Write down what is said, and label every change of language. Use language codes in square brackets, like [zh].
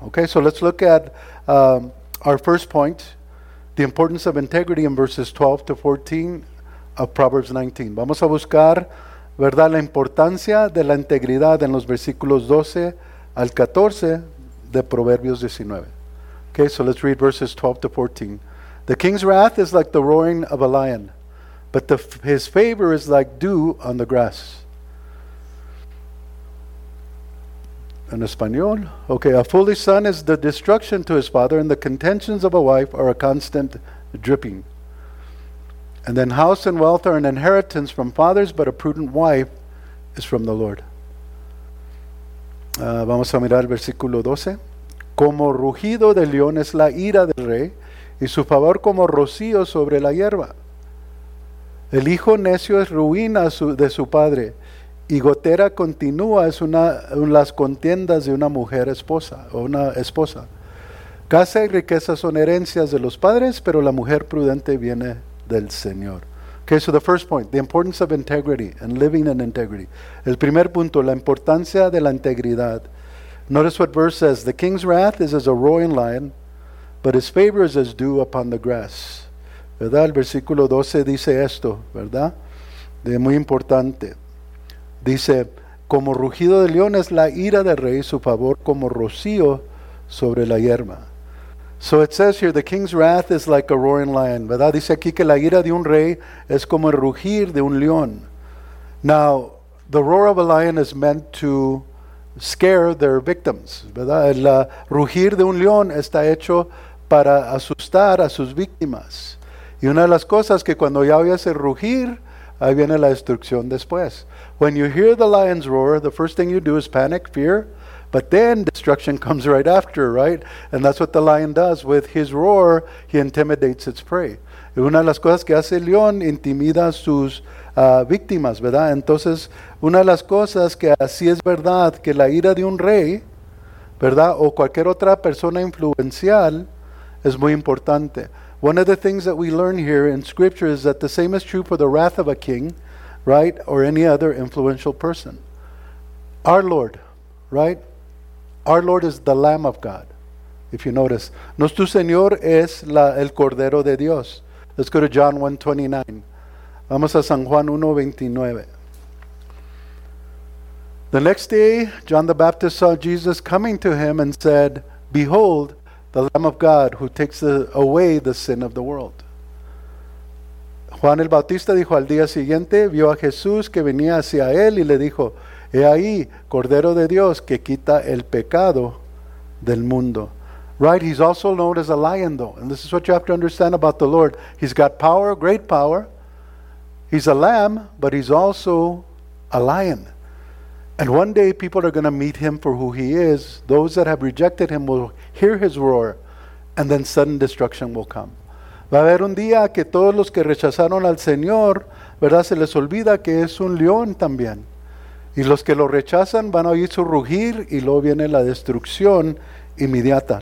[en] Okay, so let's look at our first point, the importance of integrity in verses 12 to 14 of Proverbs 19. [es] Vamos a buscar, ¿verdad?, la importancia de la integridad en los versículos 12 al 14 de Proverbios 19. [en] Okay, so let's read verses 12 to 14. The king's wrath is like the roaring of a lion, but his favor is like dew on the grass. [es] En español. [en] Okay, a foolish son is the destruction to his father, and the contentions of a wife are a constant dripping. And then house and wealth are an inheritance from fathers, but a prudent wife is from the Lord. [es] Vamos a mirar el versículo 12. Como rugido de león es la ira del rey, y su favor como rocío sobre la hierba. El hijo necio es ruina de su padre, y gotera continúa es las contiendas de una mujer esposa o una esposa. Casa y riqueza son herencias de los padres, pero la mujer prudente viene del Señor. [en] Okay, so the first point, the importance of integrity and living in integrity. [es] El primer punto, la importancia de la integridad. [en] Notice what verse says, the king's wrath is as a roaring lion, but his favor is as dew upon the grass. [es] ¿Verdad? El versículo 12 dice esto, ¿verdad? De muy importante. Dice, como rugido de león es la ira del rey, su favor como rocío sobre la hierba. [en] So it says here, the king's wrath is like a roaring lion, [es] ¿verdad? Dice aquí que la ira de un rey es como el rugir de un león. [en] Now, the roar of a lion is meant to scare their victims, [es] ¿verdad? El rugir de un león está hecho para asustar a sus víctimas. Y una de las cosas que cuando ya oyes el rugir, ahí viene la destrucción después. [en] When you hear the lion's roar, the first thing you do is panic, fear, but then destruction comes right after, right? And that's what the lion does. With his roar, he intimidates its prey. [es] Y una de las cosas que hace el león, intimida a sus víctimas, ¿verdad? Entonces, una de las cosas que así es verdad, que la ira de un rey, ¿verdad? O cualquier otra persona influencial, es muy importante. [en] One of the things that we learn here in Scripture is that the same is true for the wrath of a king, right? Or any other influential person. Our Lord, right? Our Lord is the Lamb of God, if you notice. [es] Nuestro Señor es el Cordero de Dios. [en] Let's go to John 1:29. [es] Vamos a San Juan 1:29. [en] The next day, John the Baptist saw Jesus coming to him and said, "Behold, the Lamb of God who takes away the sin of the world." [es] Juan el Bautista dijo al día siguiente, vio a Jesús que venía hacia él y le dijo, "He ahí, Cordero de Dios que quita el pecado del mundo." [en] Right, he's also known as a lion though. And this is what you have to understand about the Lord. He's got power, great power. He's a lamb, but he's also a lion. And one day people are going to meet him for who he is. Those that have rejected him will hear his roar, and then sudden destruction will come. [es] Va a haber un día que todos los que rechazaron al Señor, ¿verdad? Se les olvida que es un león también. Y los que lo rechazan van a oír su rugir y luego viene la destrucción inmediata.